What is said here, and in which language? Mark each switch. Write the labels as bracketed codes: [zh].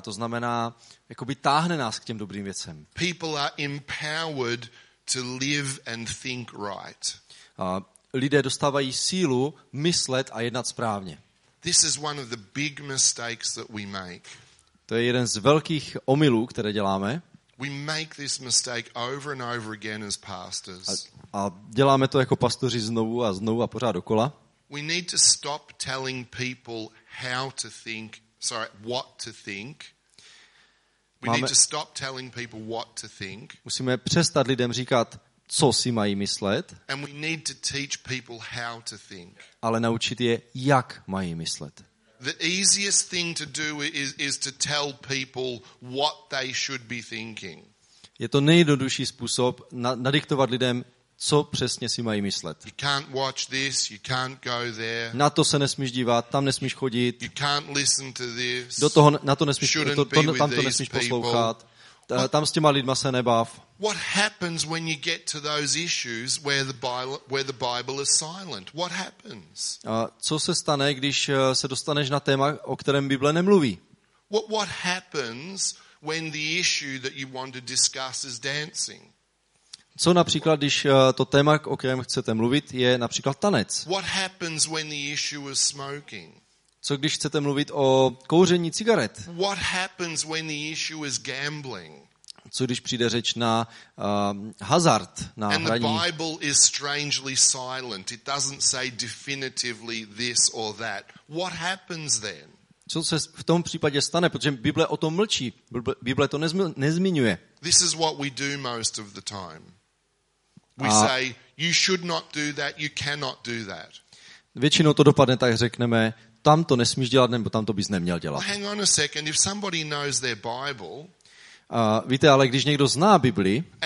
[cs] To znamená, jakoby táhne nás k těm dobrým věcem. [en] People are empowered to live and think right. [cs] Lidé dostávají sílu myslet a jednat správně. [en] This is one of the big mistakes that we make. [cs] To je jeden z velkých omylů, které děláme. [en] We make this mistake over and over again as pastors. [cs] A děláme to jako pastoři znovu a znovu a pořád dokola. [en] We need to stop telling people how to think, sorry, what to think. We need to stop telling people what to think. [cs] Musíme přestat lidem říkat, co si mají myslet, [en] and we need to teach people how to think. [cs] Ale naučit je, jak mají myslet. [en] The easiest thing to do is to tell people what they should be thinking. [cs] Je to nejjednodušší způsob nadiktovat lidem, co přesně si mají myslet. [en] You can't watch this, you can't go there. [cs] Na to se nesmíš dívat, tam nesmíš chodit. [en] You can't listen to this. [cs] Do toho, na to nesmíš, tam to nesmíš poslouchat. Tam s těma lidma se nebav. [en] What happens when you get to those issues where the Bible is silent? What happens? [cs] Co se stane, když se dostaneš na téma, o kterém Bible nemluví? [en] What happens when the issue that you want to discuss is dancing? [cs] Co například, když to téma, o kterém chcete mluvit, je například tanec? [en] What happens when the issue is smoking? [cs] Co když chcete mluvit o kouření cigaret? [en] What happens when the issue is gambling? [cs] Co když přijde řeč na hazard, na [en] and [cs] hraní? [en] And the Bible is strangely silent. It doesn't say definitively this or that. What happens then? [cs] Co se v tom případě stane, protože Bible o tom mlčí. Bible to nezmiňuje. [en] This is what we do most of the time. We say you should not do that, you cannot do that. [cs] Většinou to dopadne tak, řekneme, tam to nesmíš dělat, nebo tam to bys neměl dělat. [en] Well, hang on a second, if somebody knows their Bible, [cs] A víte, ale když někdo zná Bibli